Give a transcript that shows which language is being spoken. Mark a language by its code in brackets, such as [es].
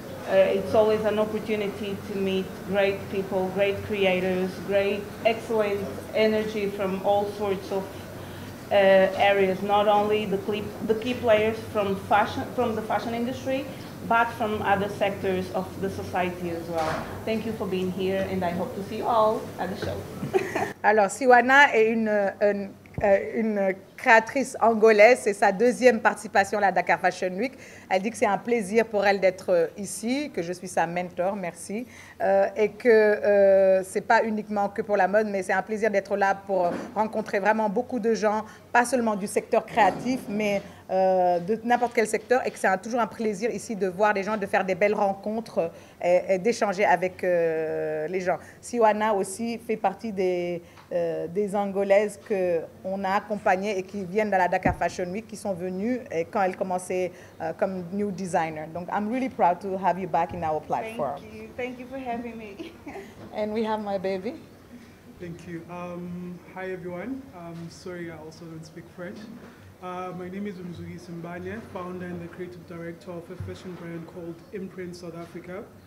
[en] It's always an opportunity to meet great people, great creators, great, excellent energy from all sorts of areas, not only the key players from fashion, from the fashion industry, but from other sectors of the society as well. Thank you for being here, and I hope to see you all at the show. [fr] Alors, Siwana est une créatrice angolaise. C'est sa deuxième participation à la Dakar Fashion Week. Elle dit que c'est un plaisir pour elle d'être ici, que je suis sa mentor, merci. Et que ce n'est pas uniquement que pour la mode, mais c'est un plaisir d'être là pour rencontrer vraiment beaucoup de gens, pas seulement du secteur créatif, mais de n'importe quel secteur. Et que c'est toujours un plaisir ici de voir les gens, de faire des belles rencontres et d'échanger avec les gens. Siwana aussi fait partie des Angolaises qu'on a accompagnées et qui viennent de la Dakar Fashion Week, qui sont venues et quand elles commençaient comme [en] new designer. Donc, I'm really proud to have you back in our platform. Thank you for having me. And we have my baby. Thank you. Hi, everyone. Sorry, I also don't speak French. My name is Mzugi Simbanye, founder and the creative director of a fashion brand called Imprint South Africa.